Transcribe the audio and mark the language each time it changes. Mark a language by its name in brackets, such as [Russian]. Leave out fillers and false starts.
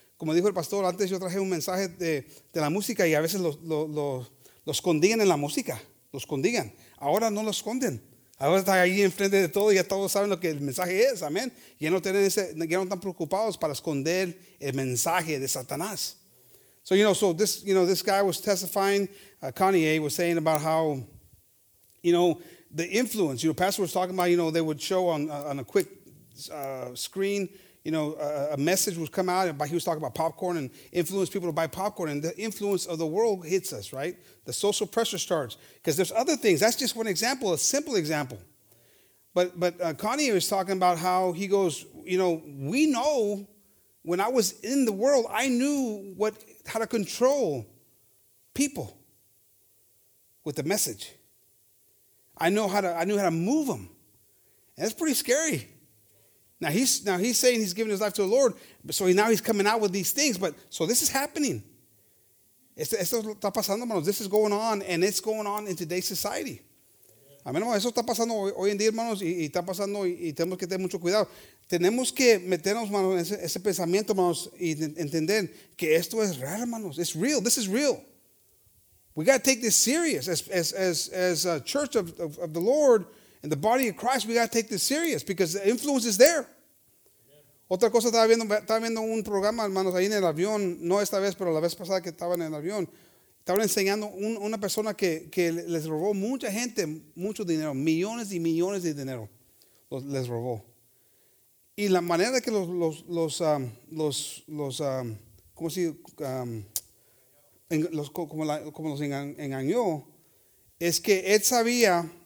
[Spanish] Como dijo el pastor, antes yo traje un mensaje de la música y a veces lo escondían en la música, lo escondían. Ahora no lo esconden. Ahora está ahí enfrente de todo y ya todos saben lo que el mensaje es, amén. Ya no están preocupados para esconder el mensaje de Satanás. [English] So, you know, this guy was testifying, Kanye was saying about how, you know, the influence, you know, pastor was talking about, you know, they would show on a quick screen, you know, a message would come out, but he was talking about popcorn and influence people to buy popcorn, and the influence of the world hits us, right? The social pressure starts, because there's other things. That's just one example, a simple example. But Connie was talking about how he goes, you know, we know when I was in the world, I knew how to control people with the message. I knew how to move them. And that's pretty scary. Now he's saying he's giving his life to the Lord, so now he's coming out with these things. But so this is happening. [Spanish] Esto está pasando, hermanos. [English] This is going on, and it's going on in today's society. [Spanish] Amén, hermanos. Eso está pasando hoy en día, hermanos, y está pasando, y tenemos que tener mucho cuidado. Tenemos que meternos, hermanos, en ese pensamiento, hermanos, y entender que esto es real, hermanos. [English] It's real. This is real. We got to take this serious as a church of the Lord. In the body of Christ, we got to take this serious because the influence is there. Yeah. [Spanish] Otra cosa, estaba viendo un programa, hermanos, ahí en el avión, no esta vez, pero la vez pasada que estaba en el avión, estaban enseñando una persona que les robó mucha gente, mucho dinero, millones y millones de dinero, les robó. Y la manera que los engañó, es que él sabía.